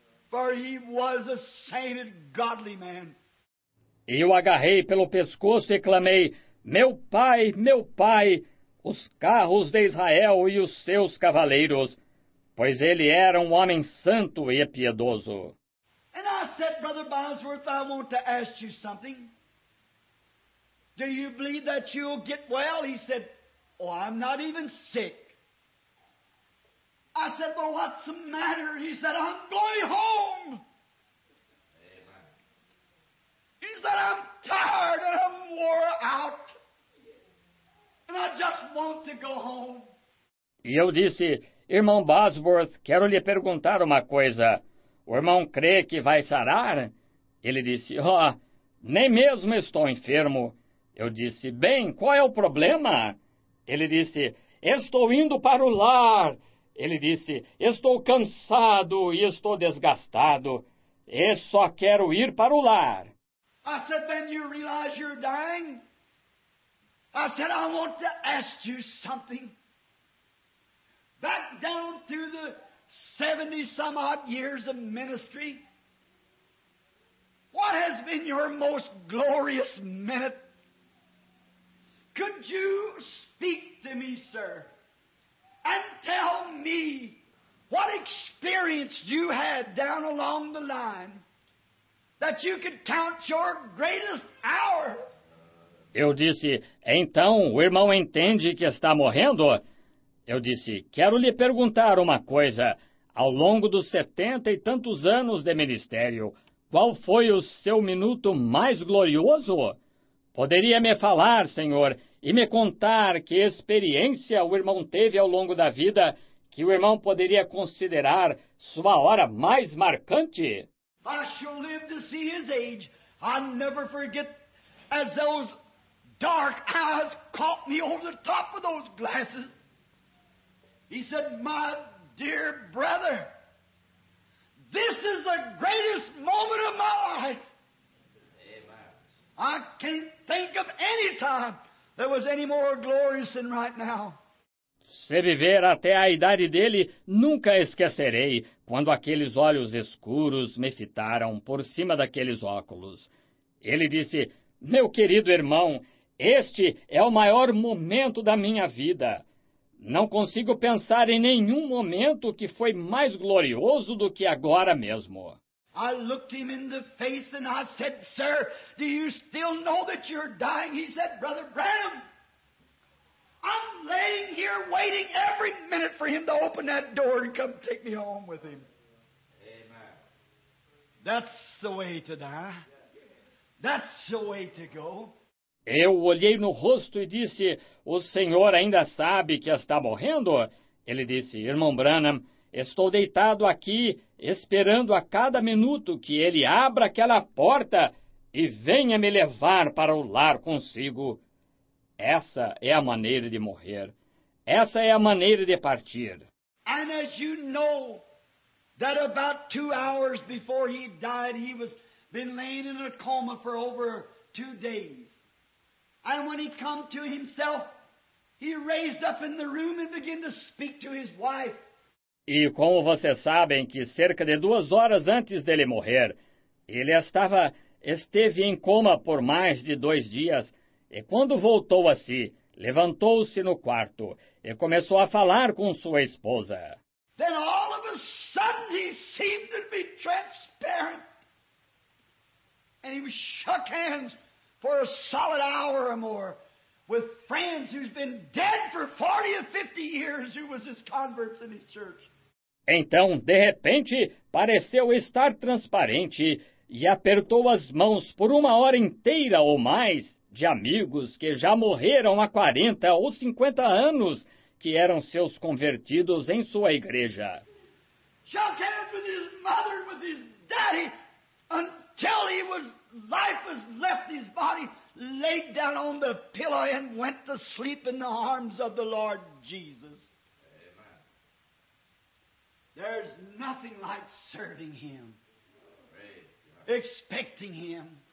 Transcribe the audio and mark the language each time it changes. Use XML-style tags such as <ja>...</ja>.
<en>For he was a sainted godly man.</en> <pt>E o agarrei pelo pescoço e clamei, meu pai, os carros de Israel e os seus cavaleiros, pois ele era um homem santo e piedoso.</pt> <en>And I said, Brother Bosworth, I want to ask you something. Do you believe that you'll get well? He said, oh, I'm not even sick. I said, well, what's the matter? He said, I'm going home. Amen. He said, I'm tired and I'm wore out. And I just want to go home.</en> <pt>E eu disse, irmão Bosworth, quero lhe perguntar uma coisa. O irmão crê que vai sarar? Ele disse, oh, nem mesmo estou enfermo. Eu disse, bem, qual é o problema? Ele disse, estou indo para o lar. Ele disse, estou cansado e estou desgastado e só quero ir para o lar.</pt> <en>I said, then you realize you're dying? I said, I want to ask you something. Back down through the 70 some odd years of ministry, what has been your most glorious minute? Could you speak to me, sir, and tell me what experience you had down along the line that you could count your greatest hour?</en> <pt>Eu disse, então o irmão entende que está morrendo? Eu disse, quero lhe perguntar uma coisa. Ao longo dos 70 e tantos anos de ministério, qual foi o seu minuto mais glorioso? Poderia me falar, senhor, e me contar que experiência o irmão teve ao longo da vida que o irmão poderia considerar sua hora mais marcante?</pt> <en>I shall live to see his age. I'll never forget as those dark eyes caught me over the top of those glasses. He said, my dear brother, this is the greatest moment of my life. I can't think of any time that was any more glorious than right now.</en> <pt>Se viver até a idade dele, nunca esquecerei quando aqueles olhos escuros me fitaram por cima daqueles óculos. Ele disse, meu querido irmão, este é o maior momento da minha vida. Não consigo pensar em nenhum momento que foi mais glorioso do que agora mesmo.</pt> <en>I looked him in the face and I said, sir, do you still know that you're dying? He said, brother Branham, I'm laying here waiting every minute for him to open that door and come take me home with him. Amen. That's the way to die. That's the way to go.</en> <pt>Eu olhei no rosto e disse, o senhor ainda sabe que está morrendo? Ele disse, irmão Branham, estou deitado aqui, esperando a cada minuto que ele abra aquela porta e venha me levar para o lar consigo. Essa é a maneira de morrer. Essa é a maneira de partir.</pt> <en>And as you know, that about 2 hours before he died, he was been laying in a coma for over 2 days. And when he come to himself, he raised up in the room and began to speak to his wife.</en> <pt>E como vocês sabem que cerca de 2 horas antes dele morrer, ele esteve em coma por mais de 2 dias, e quando voltou a si, levantou-se no quarto e começou a falar com sua esposa.</pt> <en>Then all of a sudden he seemed to be transparent. And he shook hands for a solid hour or more with friends who's been dead for 40 or 50 years who was his converts in his church.</en> <pt>Então, de repente, pareceu estar transparente e apertou as mãos por 1 hora inteira ou mais de amigos que já morreram há 40 ou 50 anos, que eram seus convertidos em sua igreja.</pt> <en>Shook hands with his mother, with his daddy, until life has left his body, laid down on the pillow and went to sleep in the arms of the Lord Jesus. There's nothing like serving him, expecting him.</en>